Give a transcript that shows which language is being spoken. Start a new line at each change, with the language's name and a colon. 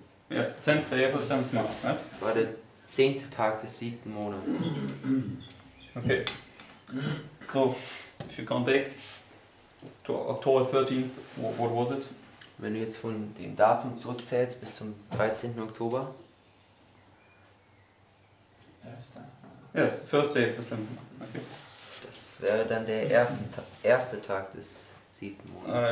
English: Yes, 10th day of the 7th month, right?
German: Es war der 10. Tag des 7. Monats.
English: Okay. So, if you come back to October 13th, what was it?
German: Wenn du jetzt von dem Datum zurückzählst bis zum 13. Oktober?
English: Yes, first day of the 7th month. Okay.
German: Der Das wäre dann der erste Tag des siebten Monats.